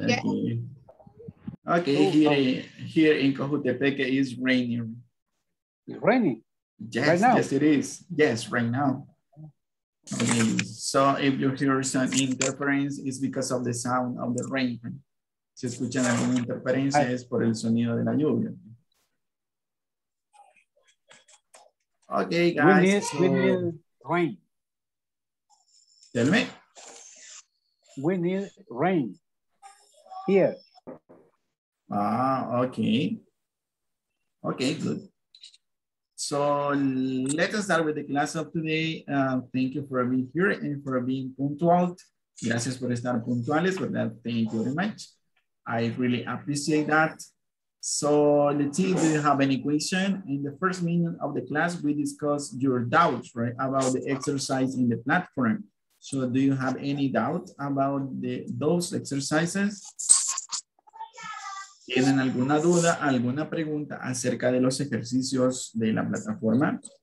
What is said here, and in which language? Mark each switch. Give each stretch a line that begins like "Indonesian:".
English: Yeah. Okay, here in Cojutepeque is raining. Raining? Yes, right now. Yes, it is. Yes, right now. Okay. So if you hear some interference, it's because of the sound of the rain.
Spanish: Si escuchan alguna interferencia, es por el sonido de la lluvia.
English: Okay, guys. We need rain. Tell me. We need rain here. Ah, okay. Okay, good. So let us start with the class of today. Thank you for being here and for being punctual.
Spanish: Gracias por estar puntuales, ¿verdad?
English: Thank you very much. I really appreciate that. So let's see, do you have any question? In the first minute of the class, we discuss your doubts, right, about the exercise in the platform. So do you have any doubt about those exercises?
Spanish: ¿Tienen alguna duda, alguna pregunta acerca de los ejercicios de la plataforma?